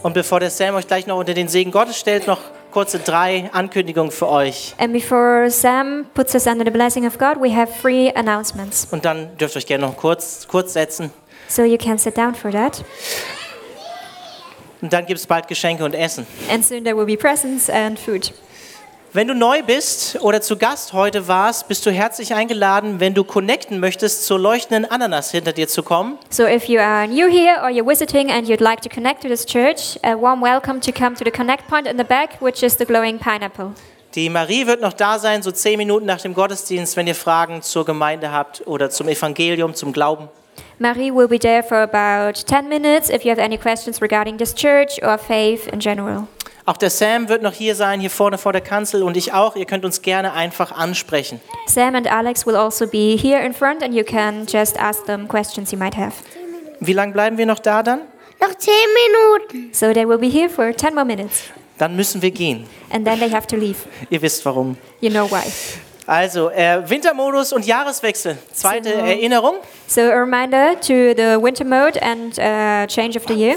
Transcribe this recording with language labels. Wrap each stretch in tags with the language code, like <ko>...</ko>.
<de>Und bevor der Sam euch gleich noch unter den Segen Gottes stellt, noch kurze drei Ankündigungen für euch.</de> <en>And before Sam puts us under the blessing of God, we have three announcements.</en> <de>Und dann dürft ihr euch gerne noch kurz setzen.</de> <en>So you can sit down for that.</en> <de>Und dann gibt's bald Geschenke und Essen.</de> <en>And soon there will be presents and food.</en> <de>Wenn du neu bist oder zu Gast heute warst, bist du herzlich eingeladen, wenn du connecten möchtest, zur leuchtenden Ananas hinter dir zu kommen.</de> <en>So if you are new here or you're visiting and you'd like to connect to this church, a warm welcome to come to the connect point in the back, which is the glowing pineapple.</en> <de>Die Marie wird noch da sein, so 10 Minuten nach dem Gottesdienst, wenn ihr Fragen zur Gemeinde habt oder zum Evangelium, zum Glauben.</de> <en>Marie will be there for about 10 minutes if you have any questions regarding this church or faith in general.</en> <de>Auch der Sam wird noch hier sein, hier vorne vor der Kanzel, und ich auch. Ihr könnt uns gerne einfach ansprechen.</de> <en>Sam and Alex will also be here in front and you can just ask them questions you might have.</en> <de>Wie lange bleiben wir noch da dann? Noch 10 Minuten.</de> <en>So they will be here for 10 more minutes.</en> <de>Dann müssen wir gehen.</de> <en>And then they have to leave.</en> <de>Ihr wisst warum.</de> <en>You know why.</en> <de>Also, Wintermodus und Jahreswechsel. Zweite Erinnerung.</de> <en>So a reminder to the winter mode and change of the year.</en>